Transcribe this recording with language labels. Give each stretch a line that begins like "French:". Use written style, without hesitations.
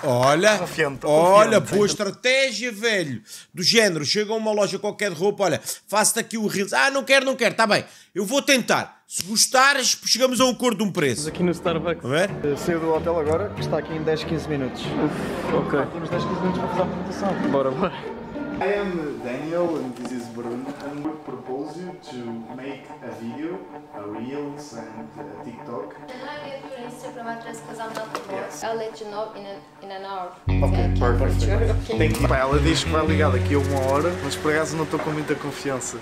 Portuguese: Olha, olha, boa estratégia, velho. Do género, chega a uma loja qualquer de roupa, olha, faço-te aqui o Reels. Ah, não quero, não quero. Está bem, eu vou tentar. Se gostares, chegamos a um acordo de um preço. Estamos aqui no Starbucks. Vê? Saiu do hotel agora, que está aqui em 10, 15 minutos. Ok. Temos 10, 15 minutos para fazer a apresentação. Bora, bora.
English: I am Daniel and this is Bruno and we propose you to make a video, a Reels and a TikTok. Can I get your Instagram address because I'm not the boss? Yes. I'll let you know in an hour. Okay, perfect.
Portuguese: Ela diz que vai ligar daqui a uma hora, mas por acaso não estou com muita confiança.